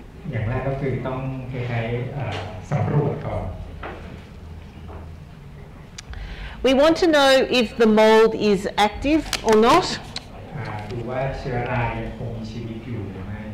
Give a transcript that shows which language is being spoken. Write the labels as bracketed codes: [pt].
[th] อย่างแรกก็คือต้องใช้สำรวจก่อน [en] We want to know if the mold is active or not. [th] ว่าเชื้อรายังคงมีชีวิตอยู่หรือไม